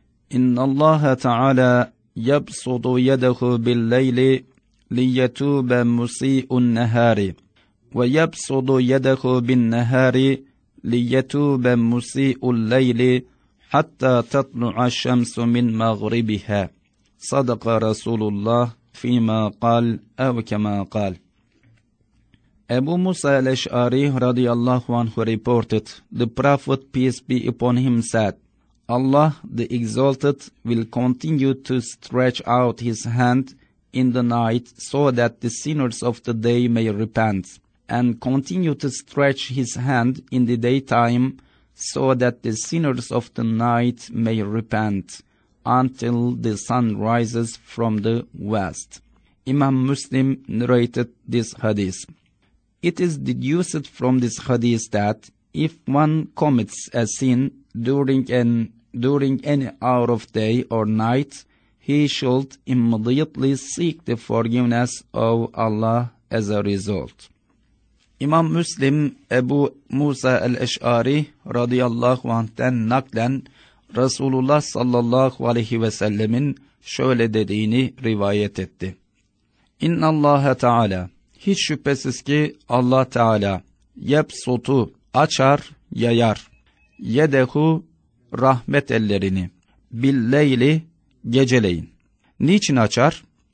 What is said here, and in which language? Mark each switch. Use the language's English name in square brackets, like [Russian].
[Arabic] İnnallâhe ta'ala yabsudu yedehu billeyli liyetûbe musî'un nehâri ve yabsudu yedehu bin nehâri لِيَتُوبَ مُسِيءُ اللَّيْلِ حَتَّى تَطْلُعَ الشَّمْسُ مِنْ مَغْرِبِهَا صَدَقَ رَسُولُ اللّٰهِ فِي مَا قَالْ اَوْ كَمَا قَالْ. [English] Ebu Musa el-Eş'ari radıyallahu anhu reported, the Prophet peace be upon him said, Allah the Exalted will continue to stretch out his hand in the night so that the sinners of the day may repent, and continue to stretch his hand in the daytime so that the sinners of the night may repent until the sun rises from the west. Imam Muslim narrated this hadith. It is deduced from this hadith that if one commits a sin during any hour of day or night, he should immediately seek the forgiveness of Allah as a result. [Turkish] İmam Müslim Ebu Musa el-Eş'ari radıyallahu anh'ten naklen Resulullah sallallahu aleyhi ve sellemin şöyle dediğini rivayet etti. [Arabic] İnna Allahe Teala, [Turkish] hiç şüphesiz ki Allah Teala yebsutu açar yayar, yedehu rahmet ellerini, billeyli geceleyin. Niçin açar?